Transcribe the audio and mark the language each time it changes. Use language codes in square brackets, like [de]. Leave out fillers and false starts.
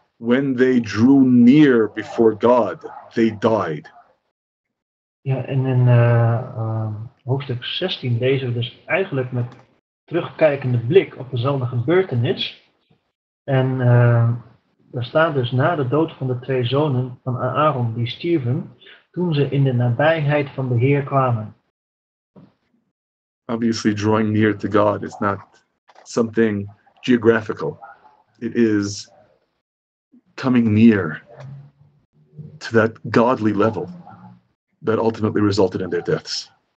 [en] When they drew near before God, they died. [nl] Ja, en in hoofdstuk 16 lezen we dus eigenlijk met terugkijkende blik op dezelfde gebeurtenis. En daar staat dus na de dood van de twee zonen van Aaron die stierven, toen ze in de nabijheid van de Heer kwamen. [en] Obviously drawing near to God is not something geographical. It is coming near to that godly level that ultimately resulted in their deaths.